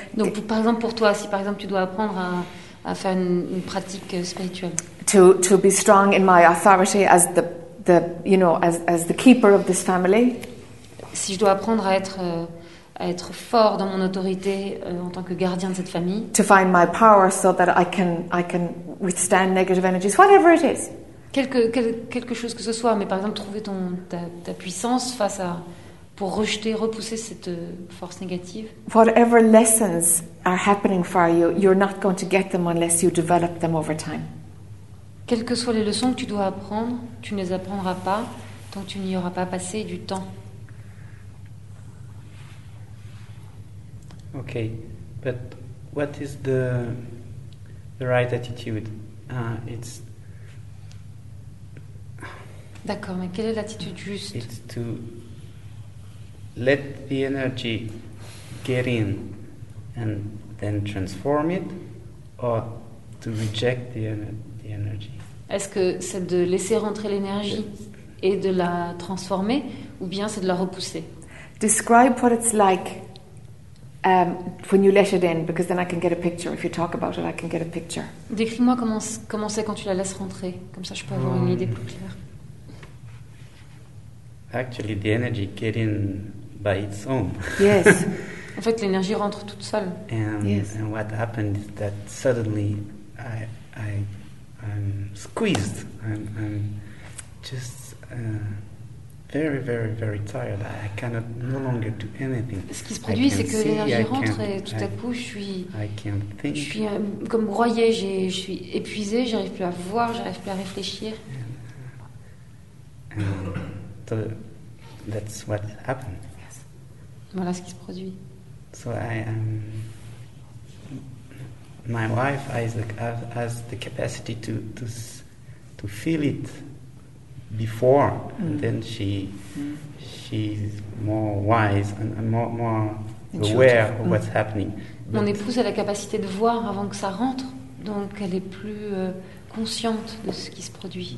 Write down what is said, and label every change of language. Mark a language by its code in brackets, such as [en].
[fr] Donc, par exemple, pour toi, si par exemple tu dois apprendre à faire une pratique spirituelle. [en] To be strong in my authority as the you know, as the keeper of this family. [fr] Si je dois apprendre à être fort dans mon autorité en tant que gardien de cette famille. [en] To find my power so that I can withstand negative energies, whatever it is. [fr] Quelque chose que ce soit, mais par exemple trouver ta puissance face à pour rejeter, repousser cette force négative. [en] Whatever lessons are happening for you, you're not going to get them unless you develop them over time. [fr] Quelles que soient les leçons que tu dois apprendre, tu ne les apprendras pas tant que tu n'y auras pas passé du temps. [en] Okay, but what is the right attitude? It's [fr] d'accord, mais quelle est l'attitude juste? [en] It's to let the energy get in and then transform it, or to reject the energy? [fr] Est-ce que c'est de laisser rentrer l'énergie et de la transformer, ou bien c'est de la repousser? [en] Describe what it's like when you let it in, because then I can get a picture. If you talk about it, I can get a picture. [fr] Décris-moi comment c'est quand tu la laisses rentrer, comme ça je peux avoir une idée plus claire. [en] Actually, the energy get in by its own. Yes. [fr] En fait, l'énergie rentre toute seule. [en] And, yes. And what happened is that suddenly I'm squeezed. I'm just very, very, very tired. I cannot no longer do anything. [fr] Ce qui se produit, c'est que l'énergie rentre et tout à coup, je suis comme broyé. Je suis épuisé. J'arrive plus à voir. J'arrive plus à réfléchir. [en] So that's what happened. [fr] Yes. Voilà ce qui se produit. [en] So I am. My wife Isaac has the capacity to feel it before, and then she's more wise and more aware of what's happening. [fr] Mon épouse a la capacité de voir avant que ça rentre, donc elle est plus consciente de ce qui se produit.